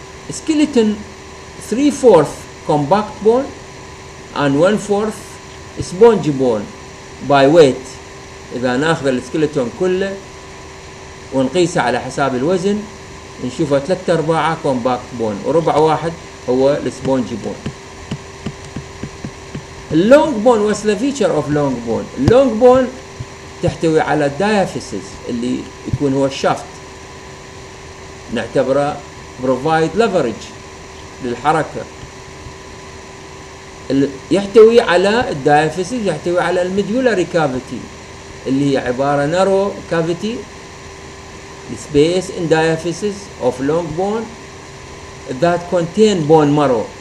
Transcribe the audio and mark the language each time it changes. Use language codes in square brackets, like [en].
[en] Skeleton 3/4 compact bone and 1/4 spongy bone by weight. [ar] إذا نأخذ السكيلتون كله ونقيسه على حساب الوزن نشوفه 3/4 compact bone وربع واحد هو spongy bone. [en] Long bone, what's the feature of long bone? [ar] Long bone تحتوي على diaphysis اللي يكون هو الشافت, نعتبره [en] provide leverage [ar] للحركة. يحتوي على الدايفيسيس, يحتوي على الميديولاري كافيتي اللي هي عبارة نارو كافيتي [en] space in diaphysis of long bone that contain bone marrow.